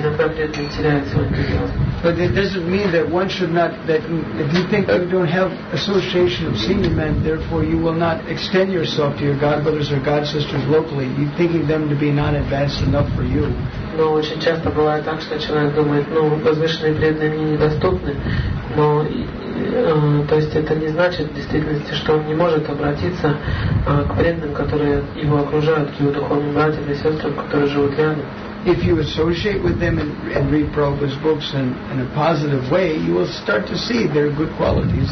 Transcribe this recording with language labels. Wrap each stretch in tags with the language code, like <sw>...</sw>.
<en>But it doesn't mean that one should not, that if you think you don't have association of senior men, therefore you will not extend yourself to your godbrothers or godsisters locally, you thinking them to be not advanced enough for you.</en> <ru>Но очень часто бывает так, что человек думает, ну, возвышенные преданные мне недоступны, но то есть это не значит в действительности, что он не может обратиться к преданным, которые его окружают, к его духовным братьям и сестрам, которые живут рядом.</ru> <en>If you associate with them and read Prabhupada's books in a positive way, you will start to see their good qualities.</en>